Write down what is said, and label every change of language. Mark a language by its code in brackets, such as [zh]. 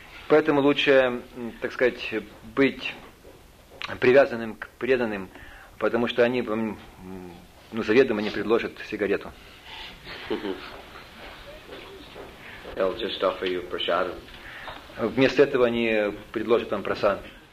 [ru] Поэтому лучше, так сказать, быть привязанным к преданным, потому что они вам, ну, заведомо не предложат сигарету. [en] They'll just offer you prasadam. [ru] Вместо этого они предложат вам прасад.